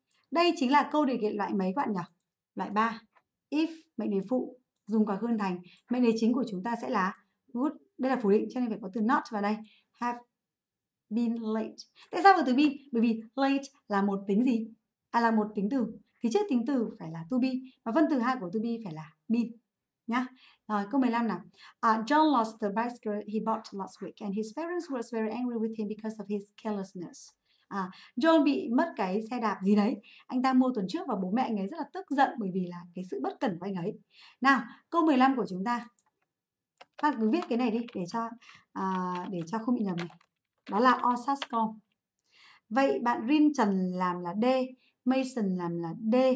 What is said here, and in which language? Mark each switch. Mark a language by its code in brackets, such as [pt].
[vi] Đây chính là câu đề kiện loại mấy các bạn nhỉ? Loại 3. If mệnh đề phụ dùng quá khứ hơn thành, mệnh đề chính của chúng ta sẽ là good. Đây là phủ định cho nên phải có từ not vào đây. [en] Have been late. [vi] Tại sao có từ be? Bởi vì late là một tính gì? À là một tính từ. Thì trước tính từ phải là to be và phân từ 2 của to be phải là been nhá. Rồi câu 15 nào. [en] John lost the bicycle he bought last week and his parents were very angry with him because of his carelessness. [vi] John bị mất cái xe đạp gì đấy anh ta mua tuần trước và bố mẹ anh ấy rất là tức giận bởi vì là cái sự bất cẩn của anh ấy. Nào, câu 15 của chúng ta. Bạn cứ viết cái này đi để cho không bị nhầm này. Đó là Osascom. Vậy bạn Rin Trần làm là D, Mason làm là D.